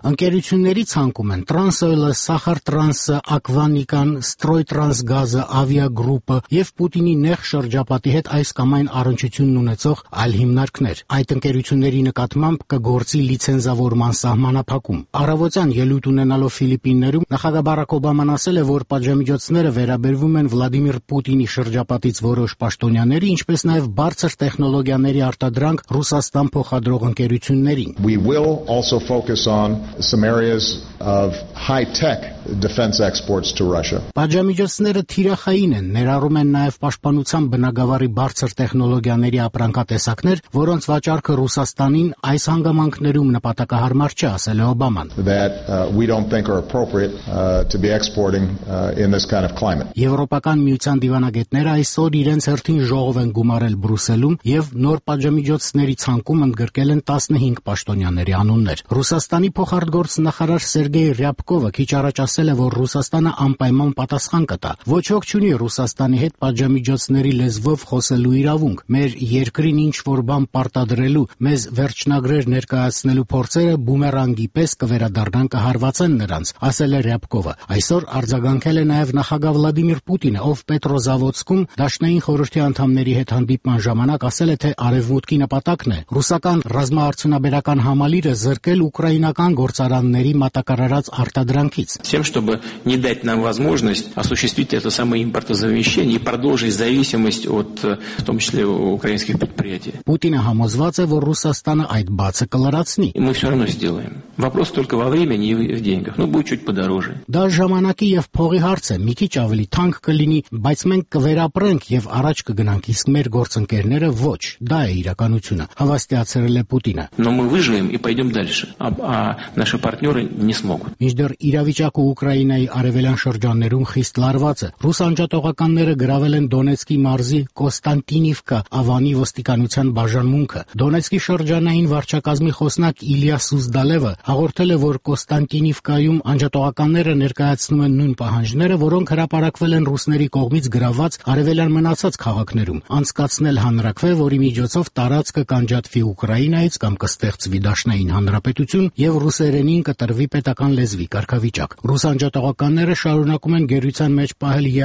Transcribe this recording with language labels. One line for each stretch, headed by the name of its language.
Armenian: Ընկերությունների ցանկում են Transoil-ը, Սախար Տրանսը, Ակվանիկան, Ստրոյ Տրանսգազը, Ավիա Գրուպը և Պուտինի նեղ շրջապատի հետ այս կամ այն առնչությունն ունեցող այլ հիմնարկներ։ Այդ ընկերությունների նկատմամբ կգործի լիցենզավորման սահմանափակում։ Առավոտյան ելույթ ունենալով Ֆիլիպիններում նախագահ Բարակ Օբաման ասել է, որ պատժամիջոցները վերաբերվում են Վլադիմիր Պուտինի շրջապատից որոշ պաշտոնյաների, ինչպես նաև բարձր տեխնոլոգիաների արտադրանք Ռուսաստան փոխադրող ընկերություններին։
English: We will also focus on some areas of high-tech defense exports to Russia.
Armenian: Պաշտամիջոցները թիրախային են, ներառում են նաև պաշտպանության բնագավառի բարձր տեխնոլոգիաների ապրանքատեսակներ, որոնց վաճառքը Ռուսաստանին այս հանգամանքներում նպատակահարմար չէ, ասել է Օբաման։
English: That we don't think are appropriate to be exporting in this kind of climate.
Armenian: Եվրոպական միության դիվանագետները այսօր իրենց հերթին ժողով են գումարել Բրյուսելում եւ նոր պաշտամիջոցների ցանկում ընդգրկել են 15 պաշտոնյաների անուններ։ Ռուսաստանի փոխարտգործ նախարար Սերգեյ Ռյապկովը քիչ առաջ ասել է, որ Ռուսաստանը անպայման պատասխան կտա։ Ոչ ոք չունի Ռուսաստանի հետ պատժամիջոցների լեզվով խոսելու իրավունք։ Մեր երկրին ինչ որ բան պարտադրելու, մեզ վերջնագրեր ներկայացնելու փորձերը բումերանգի պես կվերադառնան կհարվածեն նրանց, ասել է Ռյապկովը։ Այսօր արձագանքել է նաև նախագահ Վլադիմիր Պուտինը, ով Պետրոզավոդսկում դաշնային խորհրդի անդամների հետ հանդիպման ժամանակ ասել է, թե արևմուտքի նպատակն է ռուսական ռազմաարդյունաբերական համալիրը զրկել ուկրաինական գործարանների մատակարարած արտադրանքից։
Russian: Всем, чтобы не дать нам возможность осуществить это самое импортозамещение и продолжить зависимость от, в том числе, украинских предприятий.
Armenian: Путина համոզված է, որ Ռուսաստանը այդ բացը կլրացնի։
Russian: Мы всё равно сделаем. Вопрос только во времени и в деньгах. Ну, будет чуть подороже.
Armenian: Да, ժամանակի եւ փողի հարց է, մի քիչ ավելի թանկ կլինի, բայց մենք կվերապրենք եւ առաջ կգնանք, իսկ մեր գործընկերները ոչ, դա է իրականությունը, հավաստիացրել է Պուտինը։
Russian: Но мы выживем и пойдём дальше, а наши партнёры не смогут.
Armenian: Ինչդեռ իրավիճակը Ուկրաինայի արևելյան շրջաններում խիստ լարված է։ Ռուսանջատողականները գravel են Դոնեցկի մարզի Կոստանտինիվկա ավանի ոստիկանության բաժանմունքը։ Դոնեցկի շրջանային վարչակազմի խոսնակ Իլիա Սուզդալևը հաղորդել է, որ Կոստանտինիվկայում անջատողականները ներկայացնում են նույն պահանջները, որոնք հրապարակվել են ռուսների կողմից գravel արևելյան մնացած քաղաքներում։ Անցկացնել հանրակվե, որի միջոցով տարածքը կանջատվի Ուկրաինայից կամ կստեղծվի դաշնային հանրապետություն եւ ռուսերենին կտրվի պետական լեզվի կարգավիճակ։ Ռուսանջատողականները շարունակում են գերության մեջ պահել